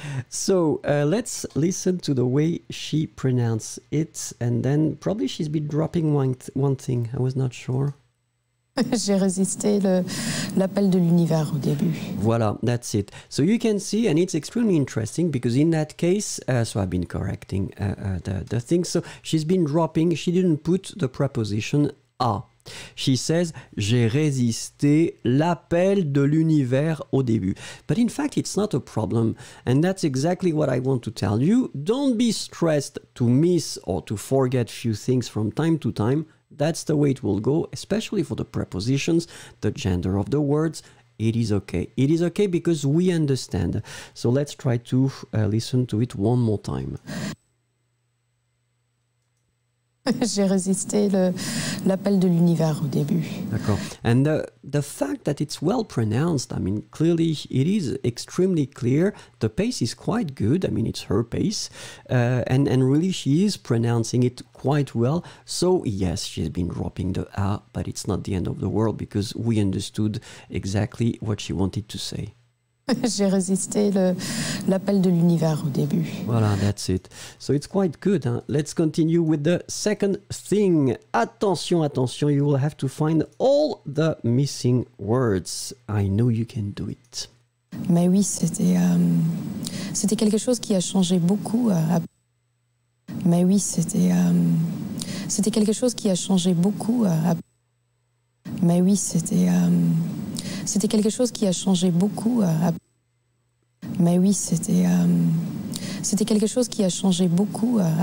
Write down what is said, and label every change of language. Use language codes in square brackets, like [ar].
[en] So, let's listen to the way she pronounced it, and then probably she's been dropping one thing, I was not sure. [fr] J'ai résisté l'appel de l'univers au début. [en] Voilà, that's it. So you can see, and it's extremely interesting, because in that case, so I've been correcting the thing. So she's been dropping, she didn't put the preposition a. She says, [fr] j'ai résisté l'appel de l'univers au début. [en] But in fact, it's not a problem. And that's exactly what I want to tell you. Don't be stressed to miss or to forget few things from time to time. That's the way it will go, especially for the prepositions, the gender of the words. It is okay. It is okay because we understand. So let's try to listen to it one more time. [fr] J'ai résisté l'appel de l'univers au début. D'accord. [en] And the fact that it's well pronounced, I mean, clearly it is extremely clear. The pace is quite good. I mean, it's her pace. And really she is pronouncing it quite well. So yes, she's been dropping the A, but it's not the end of the world because we understood exactly what she wanted to say. [fr] J'ai résisté l'appel de l'univers au début. [en] Voilà, that's it. So it's quite good. [fr] Hein? [en] Let's continue with the second thing. Attention, attention, you will have to find all the missing words. I know you can do it. [fr] Mais oui, c'était quelque chose qui a changé beaucoup. Mais oui, c'était quelque chose qui a changé beaucoup. Mais oui, c'était... C'était quelque chose qui a changé beaucoup. Mais oui, c'était quelque chose qui a changé beaucoup.